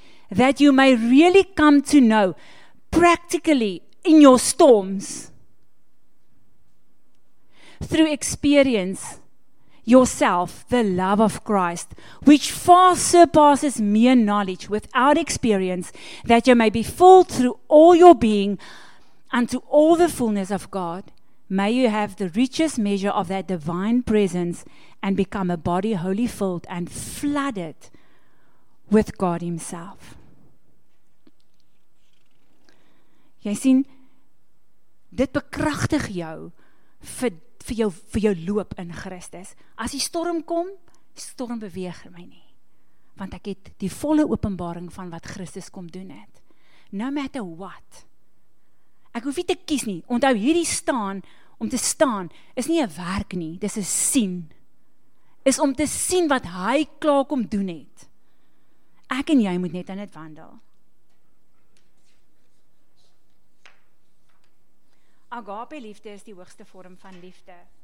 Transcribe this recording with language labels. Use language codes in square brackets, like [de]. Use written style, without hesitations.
[en] That you may really come to know practically in your storms, through experience, yourself, the love of Christ, which far surpasses mere knowledge without experience, that you may be filled through all your being unto all the fullness of God. May you have the richest measure of that divine presence and become a body wholly filled and flooded with God himself. [af] Jy sien, dit bekragtig jou vir jou loop in Christus. As die storm kom, storm beweeg my nie. want ek het die volle openbaring van wat Christus kom doen het. [en] No matter what. [af] Ek hoef nie te kies nie. Onthou hierdie staan, om te staan, is nie 'n werk nie, dis 'n sien. Is om te sien wat hy klaar kom doen het. Ek en jy moet net in dit wandel. Agape liefde is die hoogste vorm van liefde.